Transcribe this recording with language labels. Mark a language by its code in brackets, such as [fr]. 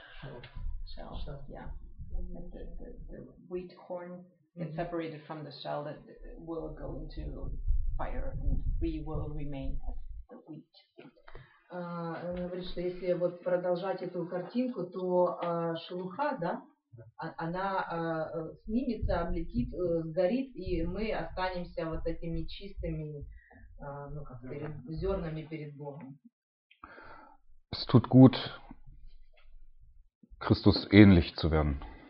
[en] Shell. Yeah. The wheat corn. It's separated from the shell that will go into fire, and we will remain as the wheat. [ru] Она говорит, что если вот продолжать эту картинку, то шелуха, да, она снимется, облетит, сгорит, и мы останемся вот этими чистыми, ну как перед зернами перед Богом. [de] Es tut gut, Christus ähnlich zu werden.